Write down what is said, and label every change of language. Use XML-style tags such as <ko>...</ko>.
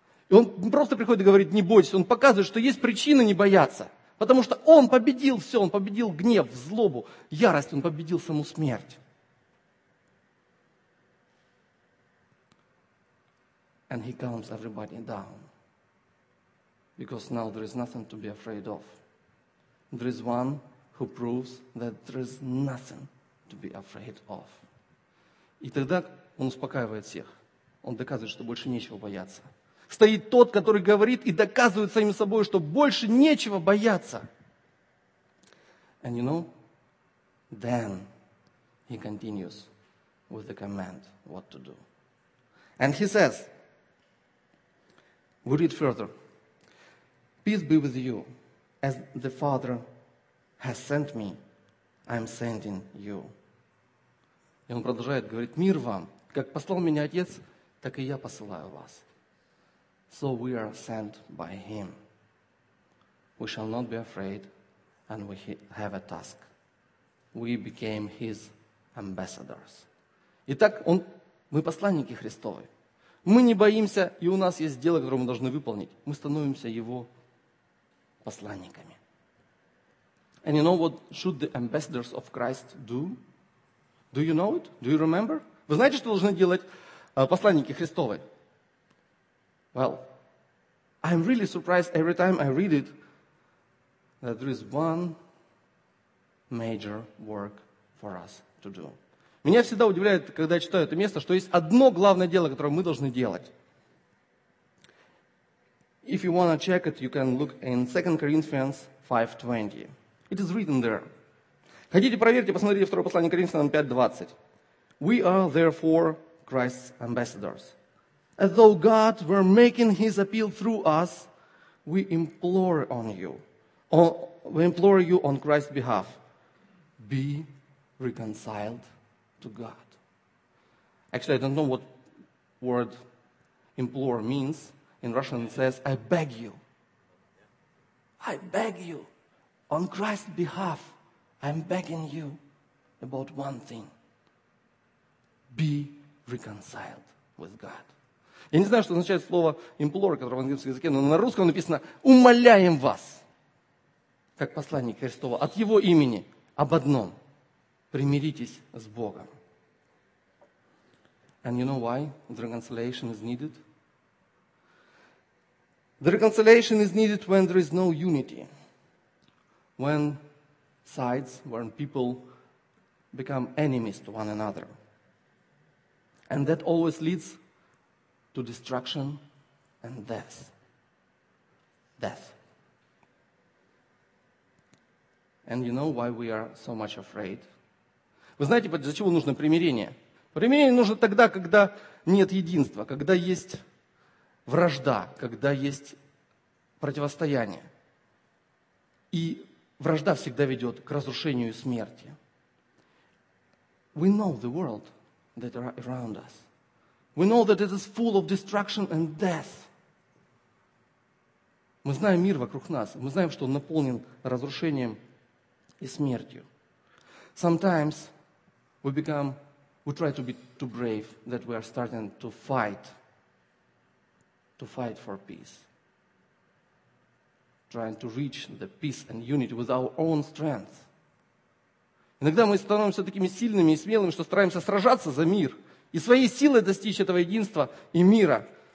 <ru>И он просто приходит и говорит, не бойтесь. Он показывает, что есть причина не бояться. Потому что он победил все, он победил гнев, злобу, ярость, он победил саму смерть.</ru> <en>And he calms everybody down. Because now there is nothing to be afraid of. There is one who proves that there is nothing to be afraid of.</en> <ru>И тогда он успокаивает всех. Он доказывает, что больше нечего бояться. Стоит тот, который говорит и доказывает самим собой, что больше нечего бояться.</ru> <en>And you know, then he continues with the command what to do. And he says, we read further. Peace be with you. As the Father has sent me, I am sending you.</en> <ru>И он продолжает, говорит, мир вам. Как послал меня Отец, так и я посылаю вас.</ru> <en>So we are sent by him. We shall not be afraid, and we have a task. We became his ambassadors.</en> <ru>Итак, мы посланники Христовы. Мы не боимся, и у нас есть дело, которое мы должны выполнить. Мы становимся его посланниками.</ru> <en>And you know what should the ambassadors of Christ do? Do you know it? Do you remember?</en> <ru>Вы знаете, что должны делать посланники Христовы?</ru> <en>Well, I'm really surprised every time I read it that there is one major work for us to do.</en> <ru>Меня всегда удивляет, когда я читаю это место, что есть одно главное дело, которое мы должны делать.</ru> <en>If you want to check it, you can look in 2 Corinthians 5:20. It is written there.</en> <ru>Хотите, проверьте, посмотрите 2 послание Коринфянам 5:20.</ru> <en>We are therefore Christ's ambassadors. As though God were making his appeal through us, we implore on you. We implore you on Christ's behalf. Be reconciled to God. Actually, I don't know what word implore means. In Russian it says, I beg you. I beg you. On Christ's behalf, I'm begging you about one thing. Be reconciled with God.</en> <ru>Я не знаю, что означает слово implore, которое в английском языке, но на русском написано, умоляем вас, как посланник Христова, от его имени, об одном. Примиритесь с Богом.</ru> <en>And you know why the reconciliation is needed? The reconciliation is needed when there is no unity. When sides, when people become enemies to one another. And that always leads to destruction and death. Death. And you know why we are so much afraid?</en> <ru>Вы знаете, для чего нужно примирение? Примирение нужно тогда, когда нет единства, когда есть вражда, когда есть противостояние. И вражда всегда ведет к разрушению и смерти.</ru> <en>We know the world that are around us. We know that it is full of destruction and death.</en> <ru>Мы знаем мир вокруг нас. Мы знаем, что он наполнен разрушением и смертью.</ru> <en>Sometimes we try to be too brave that we are starting to fight for peace. trying to reach the peace and unity with our own strength.</en> <ru>Иногда мы становимся такими сильными и смелыми, что стараемся сражаться за мир и своей силой достичь этого единства и мира.</ru>